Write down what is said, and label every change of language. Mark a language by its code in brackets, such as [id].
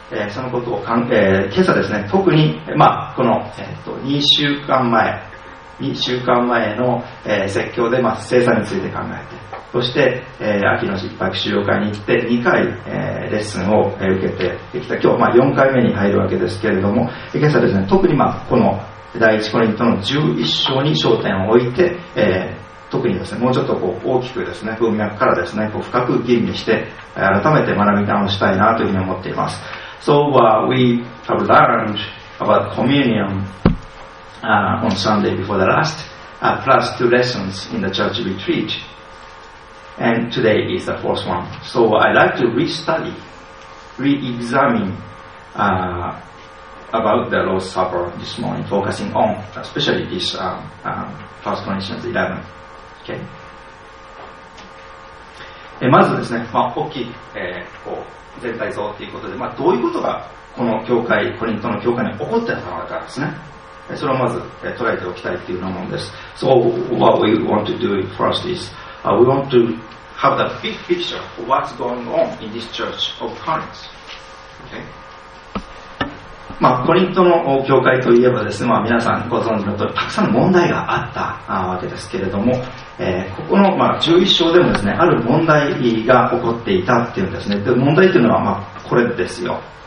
[ja] そのことを今朝ですね、特に、この、2週間前の、説教で、聖餐について考えて、そして、秋の爆修行会に行って2回、レッスンを、受けてきた今日、4回目に入るわけですけれども、今朝ですね、特に、この第1コリントの11章に焦点を置いて、特にですね、もうちょっとこう大きくですね、文脈からですね、こう深く吟味して、改めて学び直したいなというふうに思っています。 [en] So, we have learned about communion, on Sunday before the last, plus two lessons in the church retreat. And today is the fourth one. So, I'd like to re-study, re-examine, about the Lord's Supper this morning, focusing on, especially this, 1 Corinthians 11. Okay? [ja] まずですね、まあ、大きい、こう全体像ということで、まあ、どういうことがこの教会、コリントの教会に起こっていたのかですね、それをまず、捉えておきたいというようなものです。 [en] So what we want to do first is、we want to have the big picture of what's going on in this church of Corinth、okay? [ja] まあ、コリントの教会といえばですね、まあ、皆さんご存知のとおりたくさんの問題があったわけですけれども、ここの、まあ、11章でもですね、ある問題が起こっていたっていうんですね。で、問題というのは、まあ、これですよ。